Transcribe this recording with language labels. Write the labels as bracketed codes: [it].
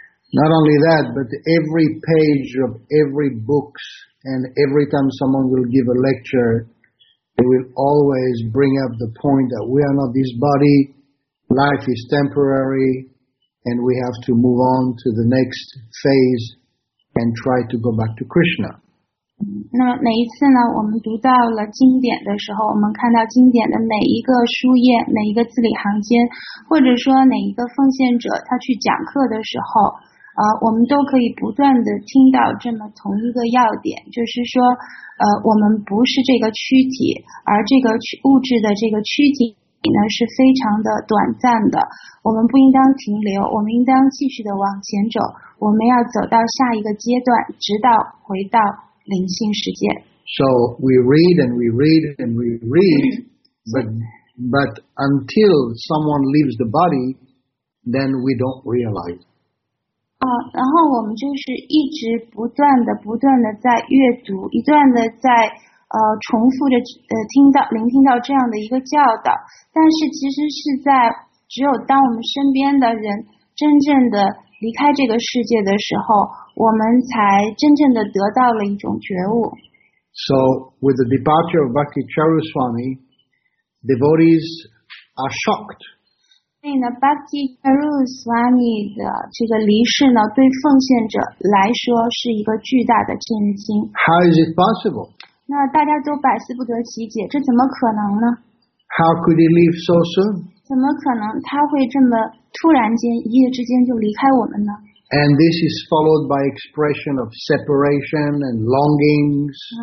[en] Not only that, but every page of every books, and every time someone will give a lecture, they will always bring up the point that we are not this body, life is temporary, and we have to move on to the next phase and try to go back to Krishna. [zh] 那么每一次呢，我们读到了经典的时候，我们看到经典的每一个书页、每一个字里行间，或者说哪一个奉献者他去讲课的时候，我们都可以不断的听到这么同一个要点，就是说，我们不是这个躯体，而这个物质的这个躯体呢是非常的短暂的，我们不应当停留，我们应当继续的往前走，我们要走到下一个阶段，直到回到。 [en] So we read and we read and we read, but until someone leaves the body, then we don't realize. [zh] 然后我们就是一直不断的在阅读，不断的在重复着聆听到这样的一个教导，但是其实是在只有当我们身边的人真正的离开这个世界的时候。我们才真正的得到了一种觉悟。 [en] So, with the departure of Bhakti Charu Swami, devotees are shocked. [zh] 所以呢 ，Bhakti Charu Swami 的这个离世呢，对奉献者来说是一个巨大的震惊。 [en] How is it possible? [zh] 那大家都百思不得其解，这怎么可能呢 [en] ？How could he leave so soon? [zh] 怎么可能他会这么突然间一夜之间就离开我们呢？ [en] And this is followed by expression of separation and longings.